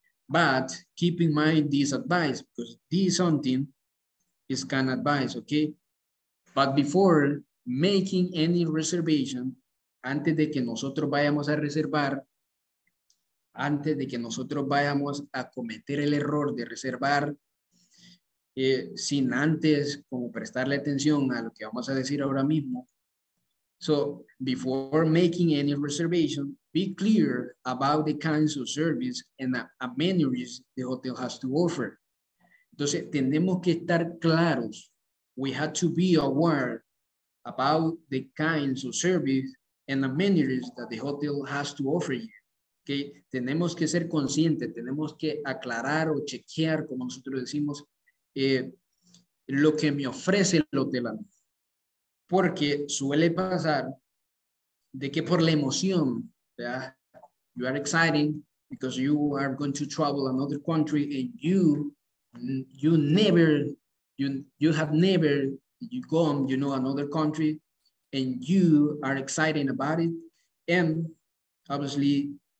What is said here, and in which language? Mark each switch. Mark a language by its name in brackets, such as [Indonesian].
[English] But keep in mind this advice, because this something is can advice, okay? But before making any reservation, [Spanish] antes de que nosotros vayamos a reservar, antes de que nosotros vayamos a cometer el error de reservar, sin antes como prestarle atención a lo que vamos a decir ahora mismo. [English] So, before making any reservation, be clear about the kinds of service and amenities the hotel has to offer. [Spanish] Entonces, tenemos que estar claros. [English] We have to be aware about the kinds of service and amenities that the hotel has to offer you. Okay? [Spanish] Tenemos que ser conscientes, tenemos que aclarar o chequear, como nosotros decimos, lo que me ofrece el hotel. Porque suele pasar de que por la emoción, ¿verdad? [English] You are excited because you are going to travel another country and you have never gone, you know, another country, and you are excited about it, and obviously